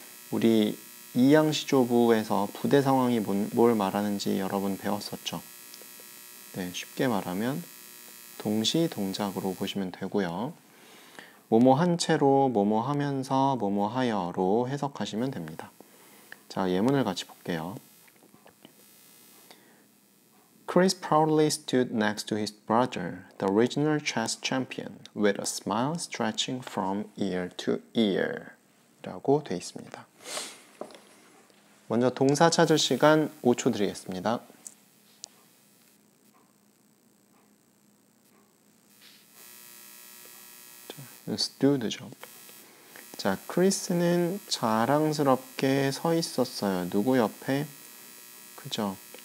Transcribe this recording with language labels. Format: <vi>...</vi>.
<ko>우리 이양시조부에서 부대 상황이 뭘 말하는지 여러분 배웠었죠. 네, 쉽게 말하면 동시 동작으로 보시면 되고요. 뭐뭐 한 채로, 뭐뭐 하면서, 뭐뭐 하여로 해석하시면 됩니다. 자, 예문을 같이 볼게요.</ko> <en>Chris proudly stood next to his brother, the regional chess champion, with a smile stretching from ear to ear.</en> <ko>라고 되어 있습니다. 먼저 동사 찾을 시간 5초 드리겠습니다. 자, stood죠. 자, Chris는 자랑스럽게 서 있었어요. 누구 옆에? 그죠.</ko>